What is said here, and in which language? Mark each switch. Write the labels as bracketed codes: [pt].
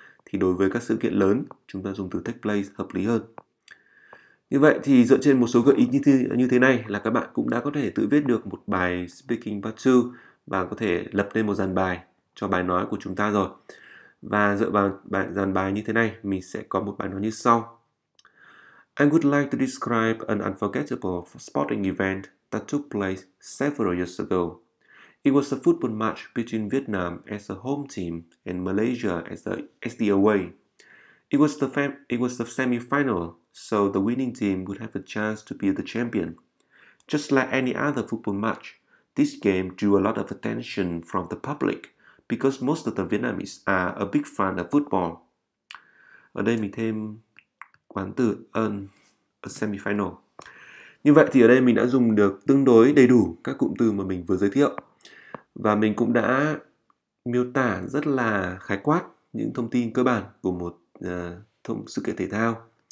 [vi] Thì đối với các sự kiện lớn, chúng ta dùng từ take place hợp lý hơn. Như vậy thì dựa trên một số gợi ý như thế này là các bạn cũng đã có thể tự viết được một bài Speaking Part 2 và có thể lập nên một dàn bài cho bài nói của chúng ta rồi. Và dựa vào bài dàn bài như thế này, mình sẽ có một bài nói như sau. [en] I would like to describe an unforgettable sporting event that took place several years ago. It was a football match between Vietnam as the home team and Malaysia as the away. It was the semi-final, so the winning team would have a chance to be the champion. Just like any other football match, this game drew a lot of attention from the public because most of the Vietnamese are a big fan of football. [vi] Ở đây mình thêm quán từ a semi-final. Như vậy thì ở đây mình đã dùng được tương đối đầy đủ các cụm từ mà mình vừa giới thiệu. Và mình cũng đã miêu tả rất là khái quát những thông tin cơ bản của một sự kiện thể thao.